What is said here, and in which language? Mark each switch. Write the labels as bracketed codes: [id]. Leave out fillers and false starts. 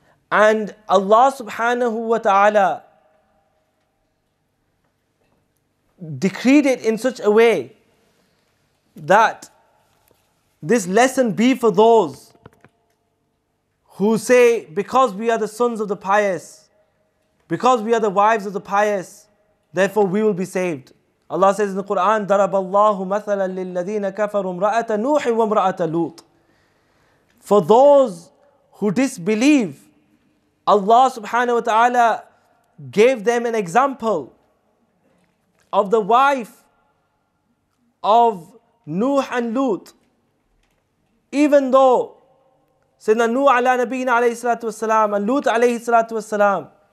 [en] And Allah subhanahu wa ta'ala decreed it in such a way that this lesson be for those who say, because we are the sons of the pious, because we are the wives of the pious, therefore we will be saved. Allah says in the Quran, [ar] ضَرَبَ اللَّهُ مَثَلًا لِلَّذِينَ كَفَرُوا امْرَأَةَ نُوحٍ وَامْرَأَةَ لُوطٍ. [en] For those who disbelieve, Allah subhanahu wa ta'ala gave them an example of the wife of Nuh and Lut. Even though Sayyidina Nuh ala nabiyyina alayhi salatu wasalam and Lut alayhi salatu wasalam